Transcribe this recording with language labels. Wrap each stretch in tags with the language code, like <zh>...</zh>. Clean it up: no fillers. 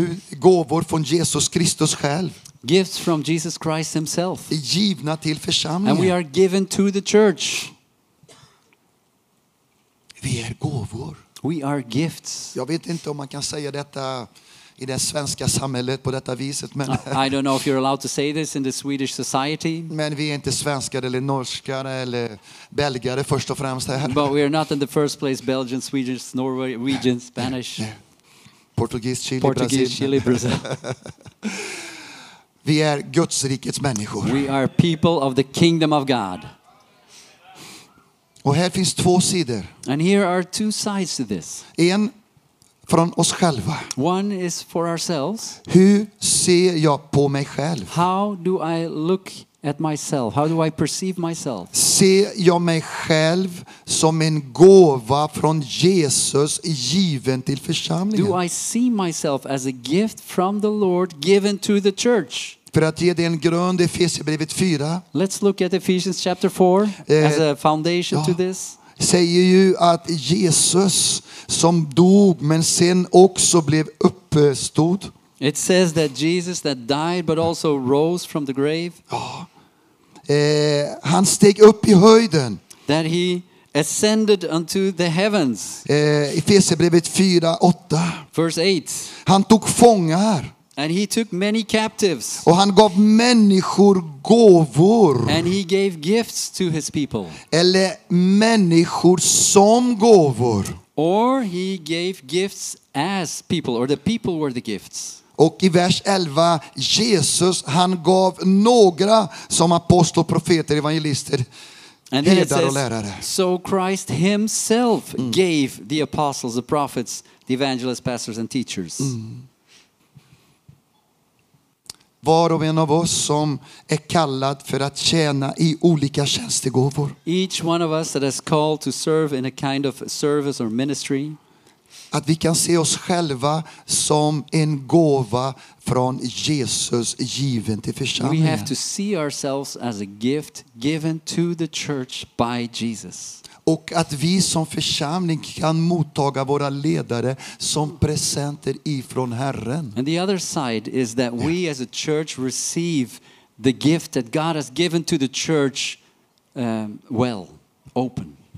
<sv>Gåvor från Jesus Kristus själv.</sv> <en>Gifts from Jesus Christ himself.</en> <sv>Givna till församlingen.</sv> <en>And we are given to the church.</en> <sv>Vi är gåvor.</sv> <en>We are gifts.</en> <sv>Jag vet inte om man kan säga detta i det svenska samhället på detta viset, men</sv> <en>I don't know if you're allowed to say this in the Swedish society.</en> <sv>Men vi är inte svenskar eller norskar eller belgare först och främst här.</sv> <en>But we are not in the first place Belgian, Swedish, Norwegian, Spanish.</en> <sv>Portugis, Chile, Portuguese, Brasil.</sv> <en>Chile, Brazil.</en> <sv>Vi är Guds rikets människor.</sv> <en>We are people of the kingdom of God.</en> <sv>Och här finns två sidor.</sv> <en>And here are two sides to this.</en> <sv>En från oss själva.</sv> <en>One is for ourselves.</en> <sv>Hur ser jag på mig själv?</sv> <en>How do I look at myself? How do I perceive myself?</en> <sv>Ser jag mig själv som en gåva från Jesus given till församlingen?</sv> <en>Do I see myself as a gift from the Lord given to the church?</en> <sv>För att ge dig en grund, Efesierbrevet 4.</sv> <en>Let's look at Ephesians chapter 4 as a foundation to this.</en> <sv>Säger ju att Jesus som dog men sen också blev uppstod.</sv> <en>It says that Jesus that died but also rose from the grave.</en> <sv>Han steg upp i höjden.</sv> <en>That he ascended unto the heavens.</en> <sv>Efesierbrevet 4:8.</sv> <en>Verse 8.</en> <sv>Han tog fångar.</sv> <en>And he took many captives.</en> <sv>Och han gav människor gåvor.</sv> <en>And he gave gifts to his people.</en> <sv>Eller människor som gåvor.</sv> <en>Or he gave gifts as people, or the people were the gifts.</en> <sv>Och i vers 11, Jesus, han gav några som apostlar, profeter, evangelister, herdar och lärare.</sv> <en>So Christ himself gave the apostles, the prophets, the evangelists, pastors and teachers.</en> <sv>Var och en av oss som är kallad för att tjäna i olika tjänstegåvor.</sv> <en>Each one of us that is called to serve in a kind of service or ministry.</en> <sv>Att vi kan se oss själva som en gåva från Jesus given till församlingen.</sv> <en>We have to see ourselves as a gift given to the church by Jesus.</en> <sv>Och att vi som församling kan mottaga våra ledare som presenter ifrån Herren.</sv> <en>And the other side is that we as a church receive the gift that God has given to the church well, open.</en>